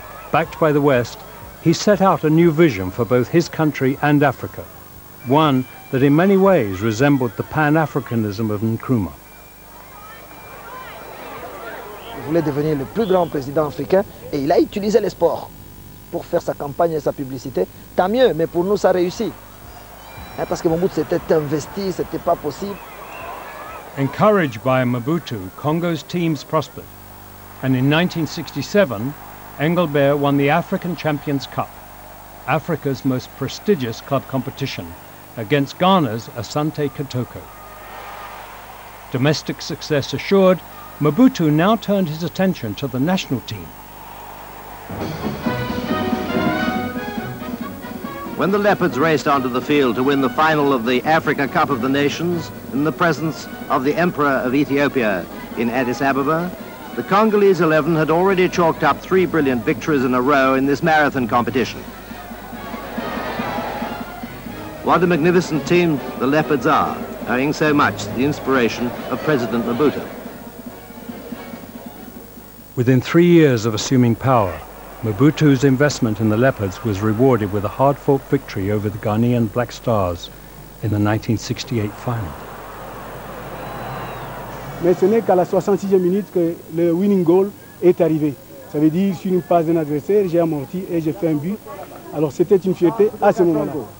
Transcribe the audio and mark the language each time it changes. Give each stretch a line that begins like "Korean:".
English: Backed by the West, he set out a new vision for both his country and Africa, one that in many ways resembled the Pan-Africanism of Nkrumah. He wanted to become the greatest African president, and he used sport.
French: pour faire sa campagne et sa publicité. Tant mieux, mais pour nous, ça réussit. Hein, parce que Mobutu s'était investi, c'était pas possible.
English: Encouraged by Mobutu, Congo's teams prospered. And in 1967, Engelbert won the African Champions Cup, Africa's most prestigious club competition, against Ghana's Asante Kotoko. Domestic success assured, Mobutu now turned his attention to the national team. When the Leopards raced onto the field to win the final of the Africa Cup of the Nations in the presence of the Emperor of Ethiopia in Addis Ababa, the Congolese 11 had already chalked up three brilliant victories in a row in this marathon competition. What a magnificent team the Leopards are, owing so much to the inspiration of President Mobutu. Within 3 years of assuming power, Mobutu's investment in the Leopards was rewarded with a hard-fought victory over the Ghanaian Black Stars in the 1968 final.
French: Mais ce n'est qu'à la 66e minute que le
English: winning goal
French: est arrivé. Ça veut dire sur une passe d'un adversaire, j'ai amorti et j'ai fait un but. Alors c'était une fierté à ce moment-là.